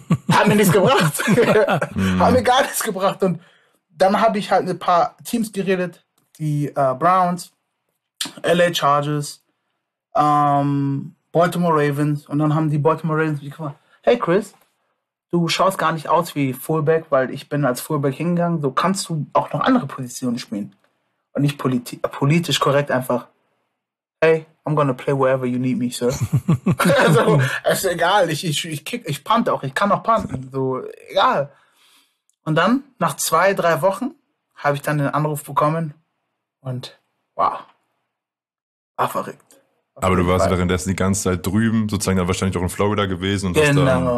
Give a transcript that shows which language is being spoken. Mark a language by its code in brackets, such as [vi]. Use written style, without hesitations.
[de] Hat mir nichts gebracht. Hat mir gar nichts gebracht. Und dann habe ich halt mit ein paar Teams geredet, die Browns, LA Chargers, Baltimore Ravens. Und dann haben die Baltimore Ravens mich gefragt, hey Chris, du schaust gar nicht aus wie Fullback, weil ich bin als Fullback hingegangen. So kannst du auch noch andere Positionen spielen. Und nicht politisch korrekt einfach. [en] hey, I'm gonna play wherever you need me, sir. [de] Also, ist egal, ich punte auch, ich kann auch punten, so, egal. Und dann, nach 2-3 Wochen, habe ich dann den Anruf bekommen und wow, war verrückt. Aber du warst währenddessen die ganze Zeit drüben, sozusagen dann wahrscheinlich auch in Florida gewesen und genau.